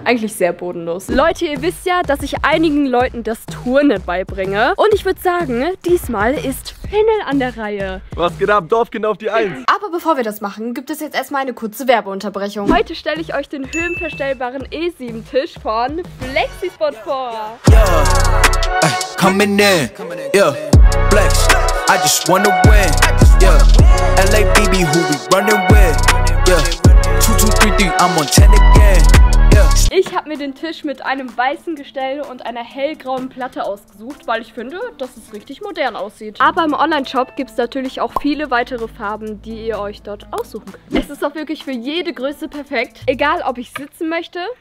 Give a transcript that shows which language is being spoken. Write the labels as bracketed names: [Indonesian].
[German] Eigentlich sehr bodenlos. Leute, ihr wisst ja, dass ich einigen Leuten das Turnen beibringe. Und ich würde sagen, diesmal ist Finnel an der Reihe. Was geht ab? Dorfkind auf die 1. Aber bevor wir das machen, gibt es jetzt erstmal eine kurze Werbeunterbrechung. Heute stelle ich euch den höhenverstellbaren E7-Tisch von FlexiSpot vor. [English] Yeah, coming in, yeah, flex, I just wanna win, yeah, LA BB who we running with, yeah, 2-2-3-3, I'm on 10 again. [German] Ich habe mir den Tisch mit einem weißen Gestell und einer hellgrauen Platte ausgesucht, weil ich finde, dass es richtig modern aussieht. Aber im Online-Shop gibt es natürlich auch viele weitere Farben, die ihr euch dort aussuchen könnt. Es ist auch wirklich für jede Größe perfekt, egal ob ich sitzen möchte.